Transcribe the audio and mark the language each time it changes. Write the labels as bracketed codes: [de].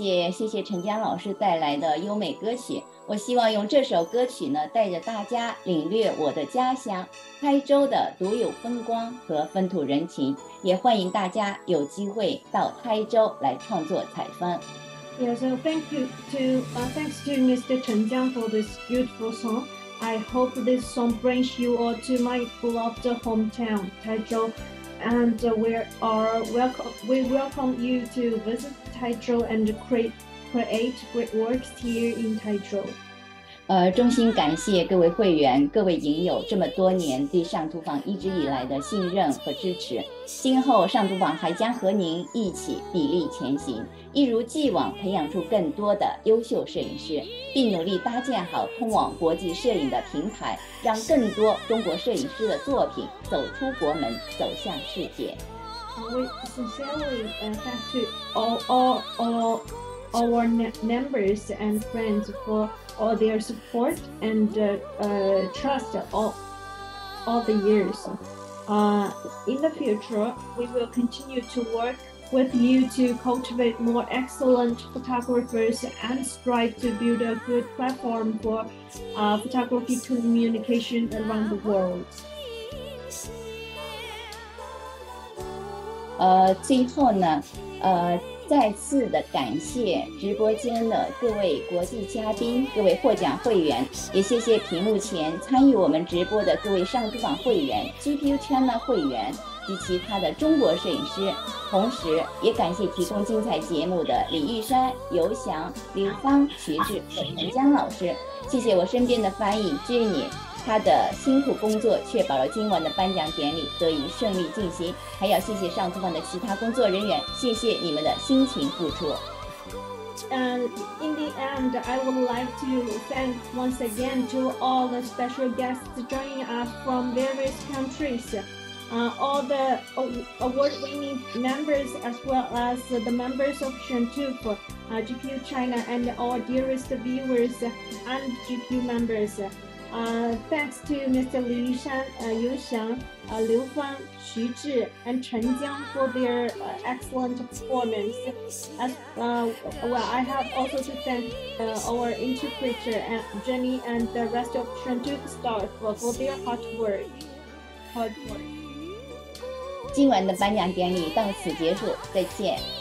[zh] 谢谢陈江老师带来的优美歌曲，我希望用这首歌曲呢带着大家领略我的家乡台州的独有风光和风土人情，也欢迎大家有机会到台州来创作采风。 [en] Yeah, so thank you to,、thanks to Mr. 陈江 for this beautiful song. I hope this song brings you all to my beloved hometown, 台州, and we welcome you to visit Taizhou and create great works here in Taizhou. [zh] 衷心感谢各位会员、各位影友这么多年对上图坊一直以来的信任和支持。今后上图坊还将和您一起砥砺前行，一如既往培养出更多的优秀摄影师，并努力搭建好通往国际摄影的平台，让更多中国摄影师的作品走出国门，走向世界。 [en] We sincerely thank to all our members and friends for all their support and trust all the years. In the future, we will continue to work with you to cultivate more excellent photographers and strive to build a good platform for photography communication around the world. [zh] 最后呢，再次的感谢直播间的各位国际嘉宾、各位获奖会员，也谢谢屏幕前参与我们直播的各位上图坊会员、GPU-China会员及其他的中国摄影师，同时也感谢提供精彩节目的李玉山、尤翔、刘芳、徐志和陈江老师，谢谢我身边的翻译 Jenny。他的辛苦工作确保了今晚的颁奖典礼得以顺利进行，还要谢谢上图坊的其他工作人员，谢谢你们的辛勤付出。 [en] In the end, I would like to thank once again to all the special guests joining us from various countries, all the award-winning members as well as the members of Shangtuf, GPU China, and our dearest viewers and GPU members. Thanks to Mr. Li Yushan, Yu Xiang, Liu Fang, Xu Zhi, and Chen Jiang for their excellent performance. I have also to thank our interpreter, Jenny, and the rest of Shangtuf staff for their hard work. [zh] 今晚的颁奖典礼到此结束，再见。